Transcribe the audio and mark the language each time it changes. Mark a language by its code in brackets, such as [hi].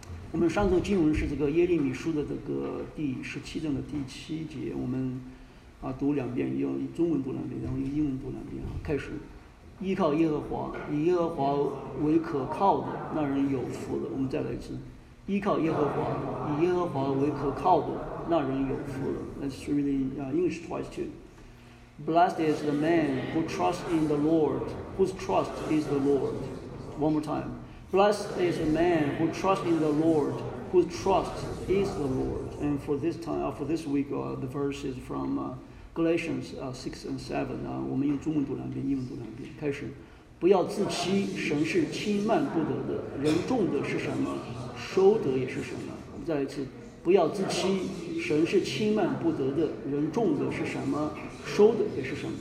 [zh] 我们上周经文是这个耶利米书的这个第十七章的第七节，我们啊读两遍，用中文读两遍，然后用英文读两遍啊。开始，依靠耶和华，以耶和华为可靠的，那人有福了。我们再来一次，依靠耶和华，以耶和华为可靠的，那人有福了。 [en] Let's read in English twice too. Blessed is the man who trusts in the Lord, whose trust is the Lord. One more time. Blessed is a man who trusts in the Lord, whose trust is the Lord. And for this time, for this week, the verse is from Galatians 6 and 7. [zh] 我们用中文读两遍，英文读两遍。开始，不要自欺，神是轻慢不得的。人种的是什么，收得也是什么。再一次，不要自欺，神是轻慢不得的。人种的是什么，收的也是什么。